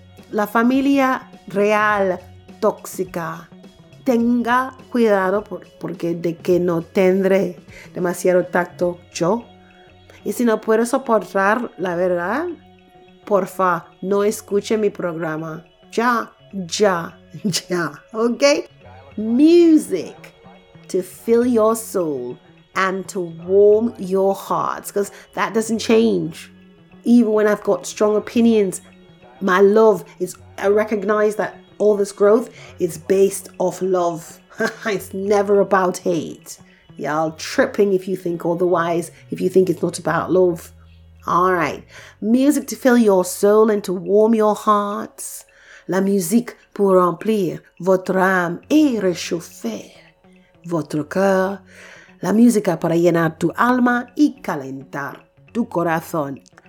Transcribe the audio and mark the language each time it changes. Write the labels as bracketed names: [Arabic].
[Spanish] La familia real tóxica. Tenga cuidado porque de que no tendré demasiado tacto yo. Y si no puedo soportar la verdad, porfa, no escuche mi programa. Ya. ¿Ok? [English] Music to fill your soul and to warm your hearts. Because that doesn't change. Even when I've got strong opinions, my love is, I recognize that all this growth is based off love. It's never about hate. Y'all tripping if you think otherwise, if you think it's not about love. All right. Music to fill your soul and to warm your hearts. [French] La musique pour remplir votre âme et réchauffer votre cœur. [Spanish] La música para llenar tu alma y calentar tu corazón.